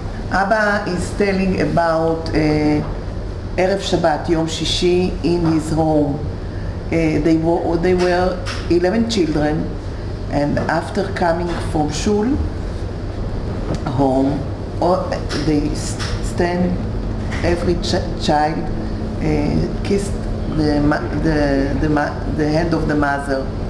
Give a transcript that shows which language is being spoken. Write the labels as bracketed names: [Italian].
[English] אבא is telling about... [Hebrew] ערב שבת, יום שישי, [English] in his home. They were 11 children, and after coming from shul, home, they stand, every child kissed the hand of the mother.